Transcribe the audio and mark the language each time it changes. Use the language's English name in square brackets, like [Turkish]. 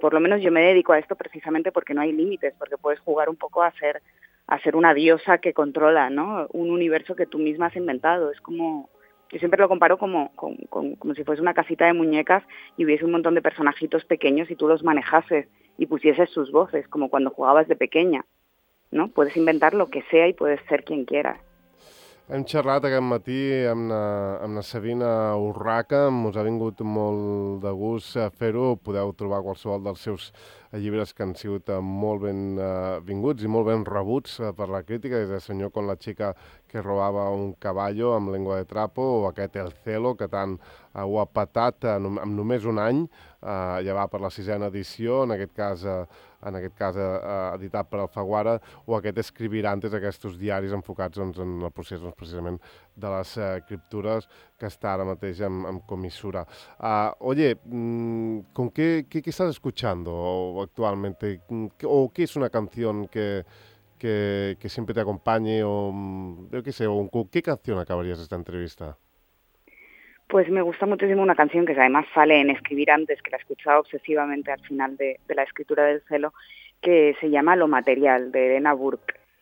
[Spanish] Por lo menos yo me dedico a esto precisamente porque no hay límites, porque puedes jugar un poco a ser una diosa que controla, ¿no?, un universo que tú misma has inventado. Es como, yo siempre lo comparo como si fuese una casita de muñecas y hubiese un montón de personajitos pequeños y tú los manejases y pusieses sus voces, como cuando jugabas de pequeña, ¿no? Puedes inventar lo que sea y puedes ser quien quieras. [Catalan] Hem xerrat aquest matí amb la Sabina Urraca, us ha vingut molt de gust fer-ho, podeu trobar qualsevol dels seus llibres que han sigut molt ben vinguts i molt ben rebuts per la crítica, des de Senyor con la chica que robava un caballo amb lengua de trapo, o aquest El Celo, que tant ho ha petat en només un any, ja va per la 6a edició, en aquest cas editat per Alfaguara, o aquest Escribir antes, aquests diaris enfocats doncs, en el procés doncs, precisament de les escriptures, que està ara mateix en comissura. [Spanish] Oye, ¿con qué estás escuchando actualmente? ¿O qué es una canción que siempre te acompañe? O yo qué sé, ¿qué canción acabarías esta entrevista? Pues me gusta muchísimo una canción que además sale en Escribir antes, que la he escuchado obsesivamente al final de la escritura del celo, que se llama Lo material, de Elena Burke.